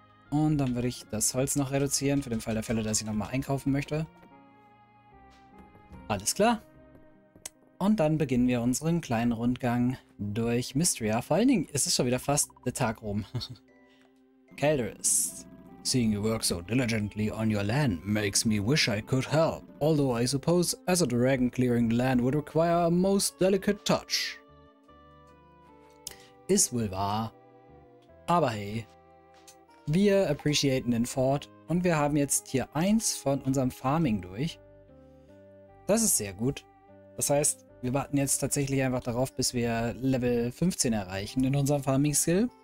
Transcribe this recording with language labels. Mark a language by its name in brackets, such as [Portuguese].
[German] Und dann würde ich das Holz noch reduzieren, für den Fall der Fälle, dass ich nochmal einkaufen möchte. Alles klar. Und dann beginnen wir unseren kleinen Rundgang durch Mystria. Vor allen Dingen ist es schon wieder fast der Tag rum. Calderis. [English] Seeing you work so diligently on your land makes me wish I could help. Although I suppose as a dragon clearing the land would require a most delicate touch. [German] Ist wohl wahr. Aber hey, wir appreciaten den Fort und wir haben jetzt Tier 1 von unserem Farming durch. Das ist sehr gut. Das heißt, wir warten jetzt tatsächlich einfach darauf, bis wir Level 15 erreichen in unserem Farming Skill.